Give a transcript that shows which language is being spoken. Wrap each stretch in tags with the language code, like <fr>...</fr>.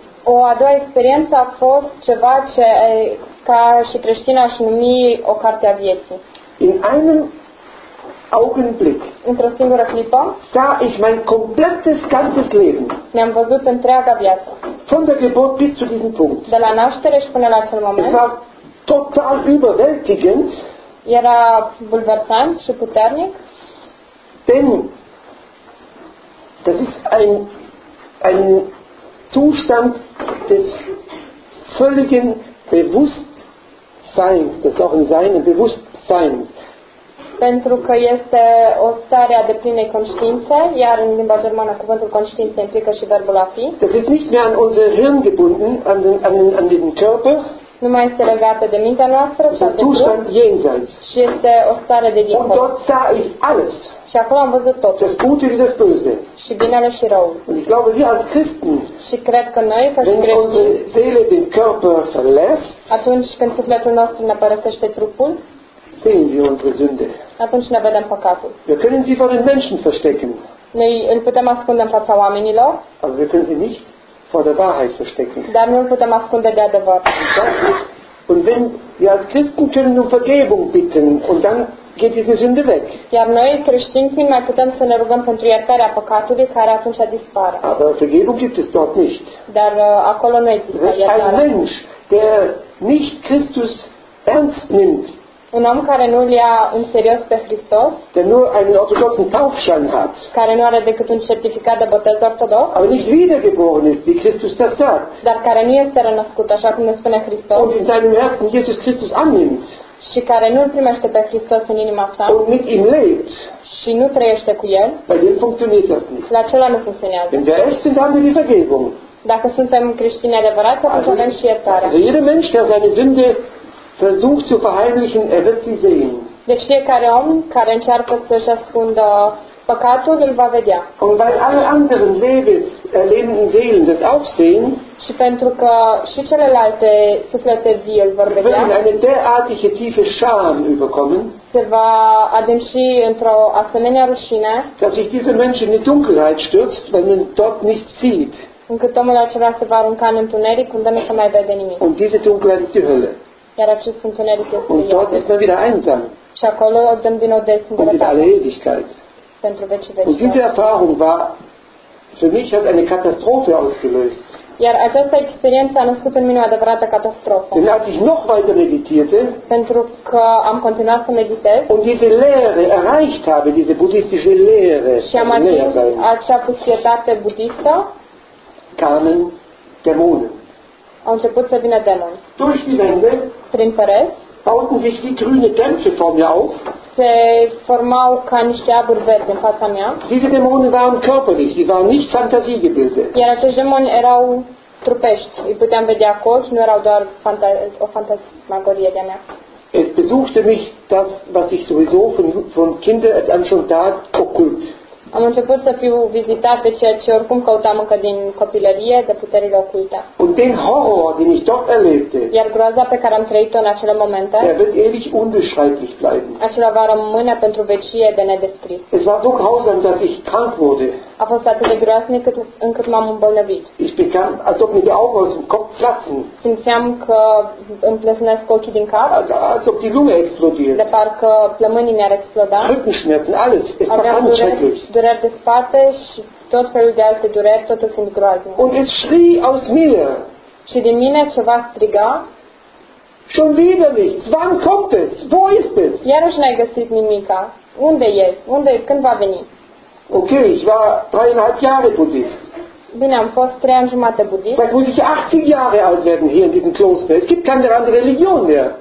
<ro>O a doua experiență a fost ceva ce ca și creștin aș numi o carte a vieții.</ro> <de>In einem Augenblick.</de> <ro>Într-o singură clipă,</ro> <de>sah ich mein komplettes ganzes Leben.</de> <ro>Mi-am văzut întreaga viață.</ro> <de>Von der Geburt bis zu diesem Punkt.</de> <ro>De la naștere și până la acel moment.</ro> <de>Es war total überwältigend.</de> <ro>Era bulversant și puternic.</ro> <de>Denn das ist ein Zustand des völligen Bewusstseins, das ist auch ein Sein, ein Bewusstsein.</de> <ro>Pentru că este o stare a deplinei conștiințe, iar în limba germană cuvântul conștiință implică și verbul a fi.</ro> <de>Das ist nicht mehr an unser Hirn gebunden, an den Körper.</de> <ro>Nu mai este legată de mintea noastră, ci de</ro> <de>Zustand jenseits.</de> <ro>Și este o stare de dincolo.</ro> <de>Und dort sah ich alles.</de> <ro>Și acolo am văzut tot.</ro> <de>Das Gute wie das Böse.</de> <ro>Și binele și răul.</ro> <de>Und ich glaube, wir als Christen,</de> <ro>și cred că noi, ca și creștini,</ro> <de>wenn unsere Seele den Körper verlässt,</de> <ro>atunci când sufletul nostru ne părăsește trupul,</ro> <de>sehen wir unsere Sünde.</de> <ro>Atunci ne vedem păcatul.</ro> <de>Wir können sie vor den Menschen verstecken.</de> <ro>Noi îl putem ascunde în fața oamenilor.</ro> <de>Aber wir können sie nicht vor der Wahrheit verstecken.</de> <ro>Dar nu îl putem ascunde de adevăr.</ro> <de>Das ist Und wenn wir als Christen können um Vergebung bitten und dann geht diese Sünde weg.</de> <ro>Iar noi creștinii mai putem să ne rugăm pentru iertarea păcatului care atunci dispare.</ro> <de>Aber Vergebung gibt es dort nicht.</de> <ro>Dar acolo nu există iertarea.</ro> <de>Ein Mensch, der nicht Christus ernst nimmt.</de> <ro>Un om care nu-l ia în serios pe Hristos.</ro> <de>Der nur einen orthodoxen Taufschein hat.</de> <ro>Care nu are decât un certificat de botez ortodox.</ro> <de>Aber nicht wiedergeboren ist, wie Christus das sagt.</de> <ro>Dar care nu este renăscut, așa cum ne spune Hristos.</ro> <de>Und in seinem Herzen Jesus Christus annimmt.</de> <ro>Și care nu-l primește pe Hristos în inima sa.</ro> <de>Und mit ihm lebt.</de> <ro>Și nu trăiește cu el.</ro> <de>Bei dem funktioniert das nicht.</de> <ro>La acela nu funcționează.</ro> <de>Wenn wir echt sind, haben wir die Vergebung.</de> <ro>Dacă suntem creștini adevărați, atunci avem și iertare.</ro> <de>Also jeder Mensch, der seine Sünde versucht zu verheimlichen, er wird sie sehen.</de> <ro>Deci fiecare om care încearcă să-și ascundă păcatul, îl va vedea.</ro> <de>Und weil alle anderen lebenden Seelen das auch sehen,</de> <ro>și pentru că și celelalte suflete vii îl vor vedea,</ro> <de>wird eine derartige tiefe Scham überkommen,</de> <ro>se va adânci într-o asemenea rușine,</ro> <de>dass sich diese Menschen in die Dunkelheit stürzt, wenn man dort nichts sieht.</de> <ro>Încât omul acela se va arunca în întuneric, unde nu se mai vede nimic.</ro> <de>Und diese Dunkelheit ist die Hölle.</de> <ro>Iar acest întuneric este</ro> <de>Und dort ist man wieder einsam.</de> <ro>Și acolo dăm din nou de</ro> <de>Ewigkeit.</de> <ro>Pentru veci veci.</ro> <de>Und diese Erfahrung war für mich hat eine Katastrophe ausgelöst.</de> <ro>Iar această experiență a născut în mine o adevărată catastrofă.</ro> <de>Denn als ich noch weiter meditierte,</de> <ro>pentru că am continuat să meditez,</ro> <de>und diese Lehre erreicht habe, diese buddhistische Lehre,</de> <ro>și am ajuns acea puțietate budistă,</ro> <de>kamen Dämonen.</de> <ro>Au început să vină demoni.</ro> <de>Durch die Wände,</de> <ro>prin pereți,</ro> <de>bauten sich wie grüne Dämpfe vor mir auf.</de> <ro>Se formau ca niște aburi verde în fața mea.</ro> <de>Diese Dämonen waren körperlich, sie waren nicht Fantasiegebilde.</de> <ro>Iar acești demoni erau trupești, îi puteam vedea cu ochi, nu erau doar o fantasmagorie de-a mea.</ro> <de>Es besuchte mich das, was ich sowieso von Kindheit an schon da occult.</de> <ro>Am început să fiu vizitat de ceea ce oricum căutam încă din copilărie, de puterile oculte.</ro> <de>Und den Horror, den ich dort erlebte.</de> <ro>Iar groaza pe care am trăit-o în acele momente.</ro> <de>Der wird ewig unbeschreiblich bleiben.</de> <ro>Acela va rămâne pentru vecie de nedescris.</ro> <de>Es war so grausam, dass ich krank wurde.</de> <ro>A fost atât de groaznic încât m-am îmbolnăvit.</ro> <de>Ich bekam, als ob mir die Augen aus dem Kopf platzen.</de> <ro>Simțeam că îmi plăsnesc ochii din cap.</ro> <de>Als ob die Lunge explodiert.</de> <ro>De parcă plămânii mi-ar exploda.</ro> <de>Rückenschmerzen, alles. Es war ganz schrecklich.</de> <ro>Dureri de spate și tot felul de alte dureri, totul fiind groaznic.</ro> <de>Und es schrie aus mir.</de> <ro>Și din mine ceva striga.</ro> <de>Schon wieder nichts. Wann kommt es? Wo ist es?</de> <ro>Iarăși n-ai găsit nimica. Unde e? Unde e? Când va veni?</ro> <de>Okay, ich war 3,5 Jahre Buddhist.</de> <ro>Bine, am fost 3 ani jumate Buddhist.</ro> <de>Vielleicht muss ich 80 Jahre alt werden hier in diesem Kloster. Es gibt keine andere Religion mehr.</de>